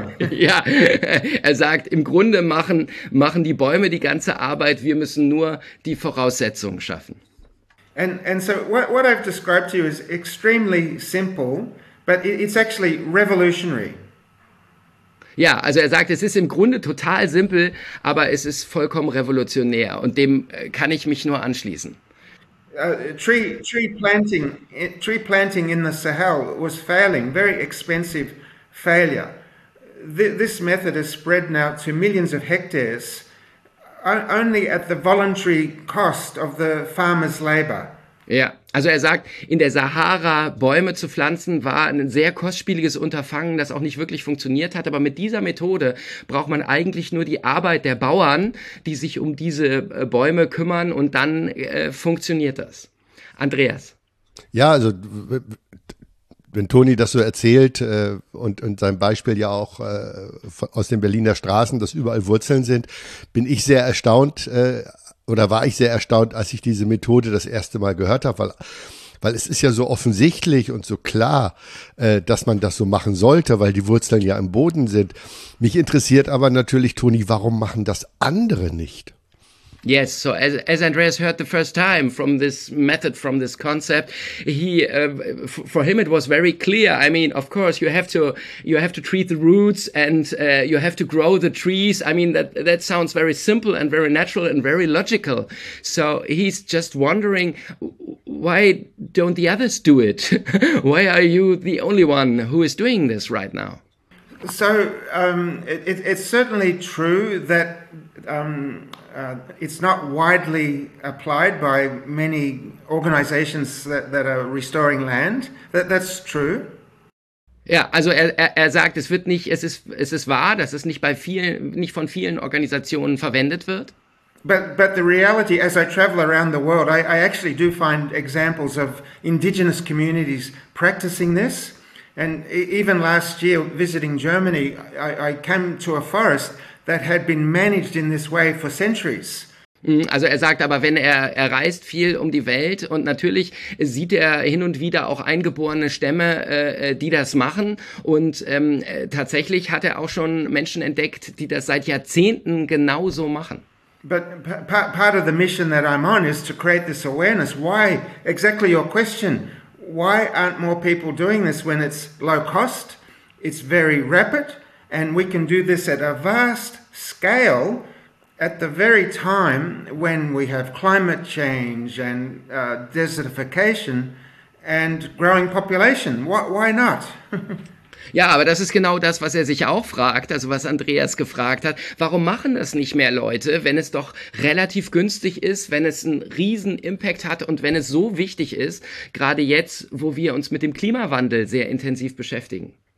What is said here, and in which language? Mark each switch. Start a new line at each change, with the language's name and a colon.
German: Ja, er sagt, im Grunde machen die Bäume die ganze Arbeit, wir müssen nur die Voraussetzungen schaffen.
English: And so what I've described to you is extremely simple, but it's actually revolutionary.
German: Ja, also er sagt, es ist im Grunde total simpel, aber es ist vollkommen revolutionär und dem kann ich mich nur anschließen.
English: Tree planting in the Sahel was failing, very expensive failure. This method has spread now to millions of hectares only at the voluntary cost of the farmer's labor.
German: Ja, also er sagt, in der Sahara Bäume zu pflanzen war ein sehr kostspieliges Unterfangen, das auch nicht wirklich funktioniert hat. Aber mit dieser Methode braucht man eigentlich nur die Arbeit der Bauern, die sich um diese Bäume kümmern und dann funktioniert das. Andreas. Ja, also wenn Toni das so erzählt und sein Beispiel ja auch aus den Berliner Straßen, dass überall Wurzeln sind, bin ich sehr erstaunt oder war ich sehr erstaunt, als ich diese Methode das erste Mal gehört habe, weil es ist ja so offensichtlich und so klar, dass man das so machen sollte, weil die Wurzeln ja im Boden sind. Mich interessiert aber natürlich, Toni, warum machen das andere nicht?
English: Yes, so as Andreas heard the first time from this method, from this concept, for him it was very clear. I mean, of course, you have to treat the roots and you have to grow the trees. I mean, that sounds very simple and very natural and very logical. So he's just wondering, why don't the others do it? Why are you the only one who is doing this right now? So it's certainly true that it's not widely applied by many organizations that are restoring land. That's true.
German: Ja, also er sagt, es wird nicht, es ist wahr, dass es nicht von vielen Organisationen verwendet wird.
English: But the reality, as I travel around the world, I actually do find examples of indigenous communities practicing this. And even last year, visiting Germany, I came to a forest that had been managed in this way for centuries.
German: Also er sagt aber, wenn er reist viel um die Welt und natürlich sieht er hin und wieder auch eingeborene Stämme, die das machen. Und tatsächlich hat er auch schon Menschen entdeckt, die das seit Jahrzehnten genauso machen.
English: But part of the mission that I'm on is to create this awareness. Why? Exactly your question. Why aren't more people doing this when it's low cost? It's very rapid. And we can do this at a vast scale at the very time when we have climate change and desertification and growing population. Why not?
German: Ja, aber das ist genau das, was er sich auch fragt, also was Andreas gefragt hat. Warum machen das nicht mehr Leute, wenn es doch relativ günstig ist, wenn es einen riesen Impact hat und wenn es so wichtig ist, gerade jetzt, wo wir uns mit dem Klimawandel sehr intensiv beschäftigen?